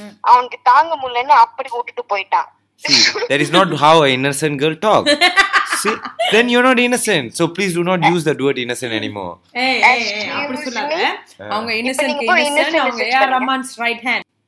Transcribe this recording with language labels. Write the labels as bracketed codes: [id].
[ta] அவனுக்கு தாங்க முடியலன்னு அப்படி விட்டுட்டு போயிட்டான். [en] That is not how a innocent girl talk. See, then you're not innocent. So please do not use that word innocent anymore. [ta] Hey, அப்படி சொன்னாங்க. அவங்க இன்னசென்ட் இன்னசென்ட் அவங்க யார் ரமான்ஸ் ரைட் ஹேண்ட்.